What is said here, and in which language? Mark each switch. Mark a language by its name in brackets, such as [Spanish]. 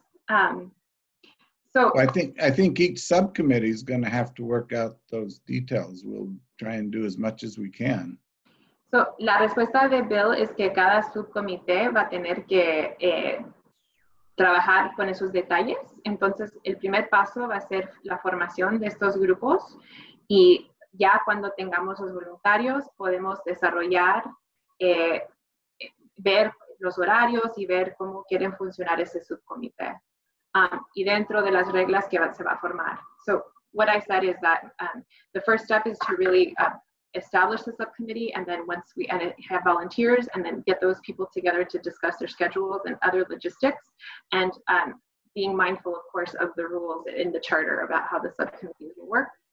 [English] I think each subcommittee is going to have to work out those details. We'll try and do as much as we can. [Spanish] So la respuesta de Bill es que cada subcomité va a tener que trabajar con esos detalles. Entonces el primer paso va a ser la formación de estos grupos, y ya cuando tengamos los voluntarios podemos desarrollar ver los horarios y ver cómo quieren funcionar ese subcomité. Y dentro de las reglas que se va a formar. [English] So what I said is that the first step is to really establish the subcommittee, and then once we have volunteers, and then get those people together to discuss their schedules and other logistics, and being mindful, of course, of the rules in the charter about how the subcommittee will work.